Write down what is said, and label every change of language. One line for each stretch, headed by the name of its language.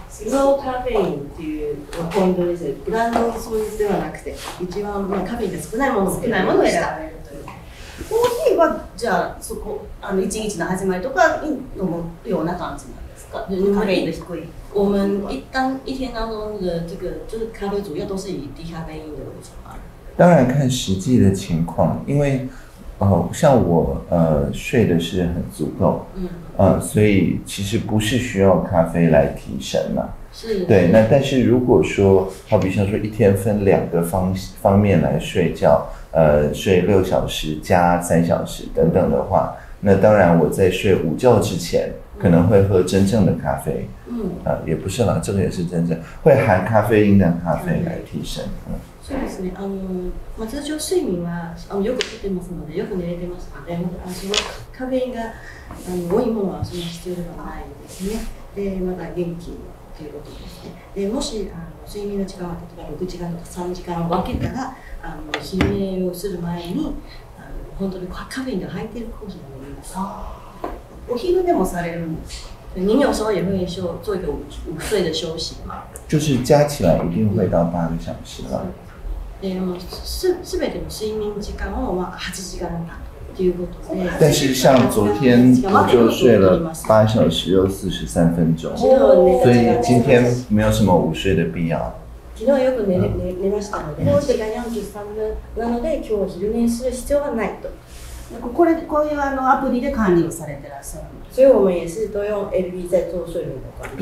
Japanese: ノーカフェインっていうポイントですよ。ブランドの掃除ではなくて、一番カフェインが少ないものを選べるという。コーヒーはじゃあそこあの1日の始まりとかに飲むような感じなんですか？うん、カフェインが低い。
Chinese: 我们一旦一天当中的这个就是咖啡主要都是以低咖啡因的为主嘛。当然看实际的情况，因为。像我睡的是很足够，所以其实不是需要咖啡来提神嘛，是，对，那但是如果说好比像说一天分两个方面来睡觉，睡六小时加三小时等等的话，那当然我在睡午觉之前可能会喝真正的咖啡，也不是啦，这个也是真正会含咖啡因的咖啡来提神，
Japanese: そうですね、まあ、通常睡眠はあのよく寝てますので、よく寝れてますので、あそのカフェインがあの多いものはそんな必要ではないですね。で、まだ元気ということですね。で、もしあの睡眠の時間は例えば6時間とか3時間を分けたら、あの悲鳴をする前にあの本当にカフェインが入っているコースを飲みます。お昼でもされるんですか？
Chinese: 您有时候也会说做一个午睡的休息吗？就是加起来一定会到八个小时了。对，我们
Japanese: 全ての睡眠時間を8時間だということで。
Chinese: 但是像昨天我就睡了八小时又43分钟，所以今天没有什么午睡的必要。
Japanese: 昨日はよく寝ましたので、今日43分なので今日昼寝する必要はないと。こういうあのアプリで管理をされてらっしゃる。
Chinese: 所以我们也是都用 LV 在做睡眠的管理。